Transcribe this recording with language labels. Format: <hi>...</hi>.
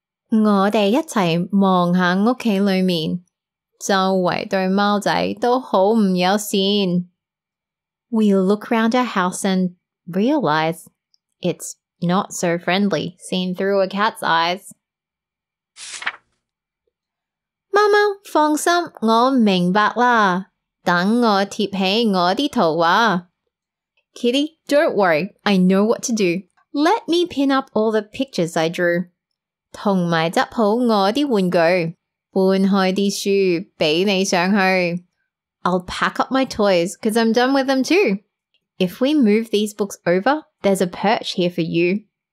<yue>我们一起望下屋企里面, 周围对猫仔都好不友善.</yue> <en>We look round our house and realize it's not so friendly seen through a cat's eyes.</en> <yue>猫猫,放心,我明白啦。等我贴起我的图画。</yue> <en>Kitty, don't worry, I know what to do. Let me pin up all the pictures I drew.</en> <yue>同埋執好我的玩具,搬開啲書,俾你上去。</yue> <en>I'll pack up my toys, because I'm done with them too. If we move these books over, there's a perch here for you.</en>